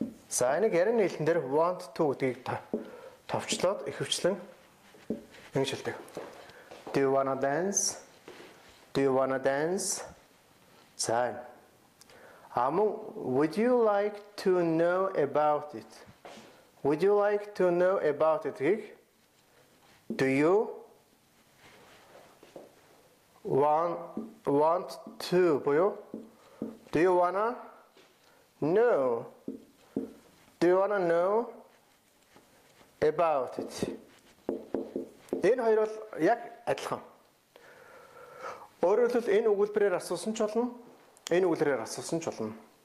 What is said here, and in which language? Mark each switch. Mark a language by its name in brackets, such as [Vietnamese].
[Mongolian] За, энэ гэрэн хэлэн дээр [English] want to [Mongolian] гэдгийг товчлоод ихэвчлэн ингэж хэлдэг. [English] Do you wanna dance? Do you wanna dance? [Mongolian] За, мөн [English] would you like to know about it? Would you like to know about it? Do you want to? Буюу do you wanna know? Do you wanna know about it? [Mongolian] Энэ хоёр бол яг адилхан. Өөрөөр хэлбэл энэ өгүүлбэрээр асуусан ч болно, энэ үгээр асуусан ч болно.